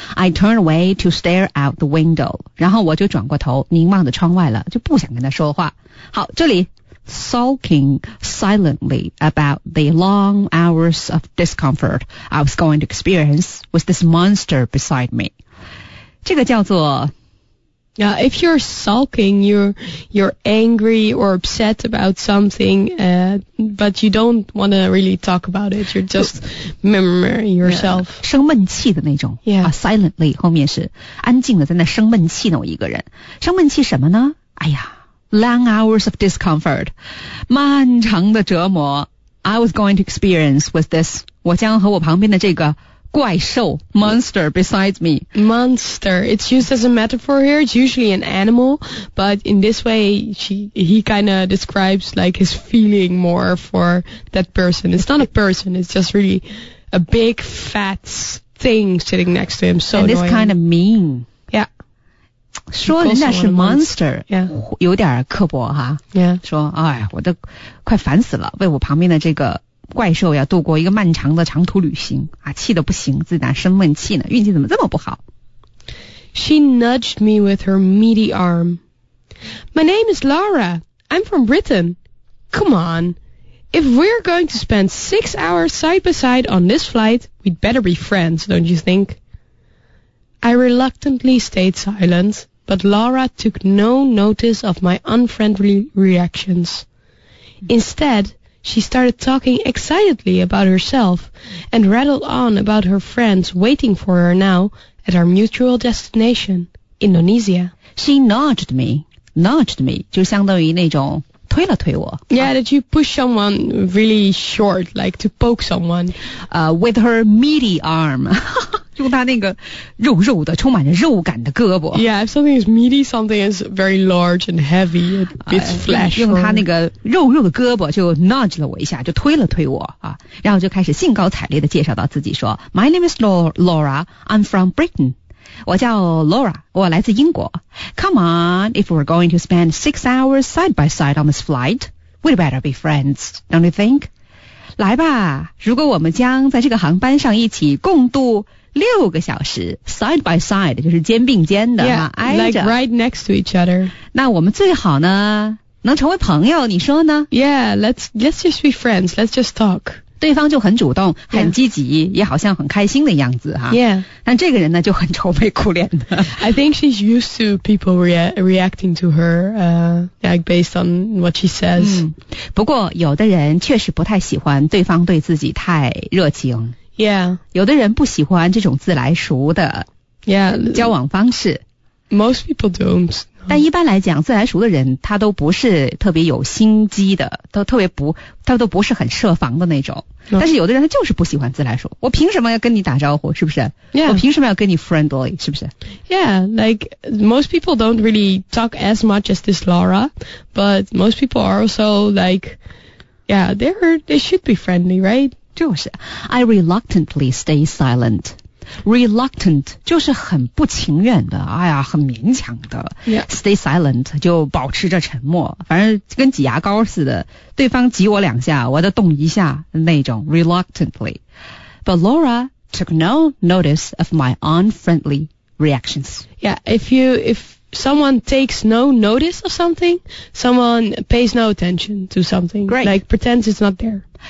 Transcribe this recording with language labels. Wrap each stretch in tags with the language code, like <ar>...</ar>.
<en>I turned away to stare out the window.</en> <zh>然后我就转过头，凝望着窗外了，就不想跟他说话。好，这里</zh> <en>sulking silently about the long hours of discomfort I was going to experience with this monster beside me.</en> <zh>这个叫做</zh> <en>Now, if you're sulking, you're angry or upset about something, but you don't want to really talk about it. You're just murmuring yourself.</en> <zh>生闷气的那种。</zh> <en>Yeah. Silently,</en> <zh>后面是安静的在那生闷气呢，我一个人。生闷气什么呢？哎呀</zh> <en>,long hours of discomfort.</en> <zh>漫长的折磨。</zh> <en>I was going to experience with this.</en> <zh>我将和我旁边的这个怪兽</zh> <en>monster beside me. Monster. It's used as a metaphor here. It's usually an animal, but in this way, he kind of describes like his feeling more for that person. It's not a person. It's just really a big fat thing sitting next to him. So and it's kind of mean. Yeah.</en> <zh>说人家是 monster,</zh> <en>yeah.</en> <zh>有点刻薄哈。</zh> <en>Yeah.</en> <zh>说哎，我都快烦死了，为我旁边的这个。怪兽要度过一个漫长的长途旅行啊，气得不行，自己在生闷气呢，运气怎么这么不好。</zh> <en>She nudged me with her meaty arm. My name is Laura. I'm from Britain. Come on. If we're going to spend 6 hours side by side on this flight, we'd better be friends, don't you think? I reluctantly stayed silent, but Laura took no notice of my unfriendly reactions. Instead,She started talking excitedly about herself and rattled on about her friends waiting for her now at our mutual destination, Indonesia. She nudged me. Nudged me</en> <zh>就相当于那种推了推我。</zh> <en>Yeah, that you push someone really short, like to poke someone. With her meaty arm.</en> <zh>用她那个肉肉的充满着肉感的胳膊。</zh> <en>Yeah, if something is meaty, something is very large and heavy, it's flesh.</en> <zh>用她那个肉肉的胳膊就 nudge 了我一下，就推了推我啊，然后就开始兴高采烈的介绍到自己说 ,</zh> <en>My name is Laura, I'm from Britain.</en> <zh>我叫 Laura, 我来自英国。</zh> <en>Come on, if we're going to spend 6 hours side by side on this flight, we'd better be friends, don't you think?</en> <zh>来吧，如果我们将在这个航班上一起共度六个小时 ,</zh> <en>side by side,</en> <zh>就是肩并肩的</zh> <en>yeah,</en> <zh>挨着</zh> <en>like right next to each other.</en> <zh>那我们最好呢能成为朋友你说呢</zh> <en>?Yeah, let's just be friends, let's just talk.</en> <zh>对方就很主动很积极、</zh> <en>yeah.</en> <zh>也好像很开心的样子哈。</zh> <en>Yeah.</en> <zh>但这个人呢就很愁眉苦脸的。</zh> <en>I think she's used to people reacting to her, like based on what she says.、</en> <zh>嗯、不过有的人确实不太喜欢对方对自己太热情。</zh> <en>Yeah.</en> <zh>有的人不喜欢这种自来熟的交往方式。</zh> <en>Yeah. Most people don't.</en> <zh>但一般来讲，自来熟的人他都不是特别有心机的，他都不是很设防的那种。</zh> <en>No.</en> <zh>但是有的人他就是不喜欢自来熟，我凭什么要跟你打招呼？是不是？</zh> <en>Yeah.</en> <zh>我凭什么要跟你 friendly？是不是</zh> <en>？Yeah, like most people don't really talk as much as this Laura, but most people are also like, yeah, they should be friendly, right?</en> <zh>就是</zh> <en>I reluctantly stay silent.</en> <zh>Reluctant 就是很不情愿的，哎呀，很勉强的。</zh> <en>Yeah. Stay silent</en> <zh>就保持着沉默，反正跟挤牙膏似的，对方挤我两下，我再动一下那种 reluctantly.</zh> <en>But Laura took no notice of my unfriendly reactions. Yeah, if someone takes no notice of something, someone pays no attention to something. Great. Like pretends it's not there.</en>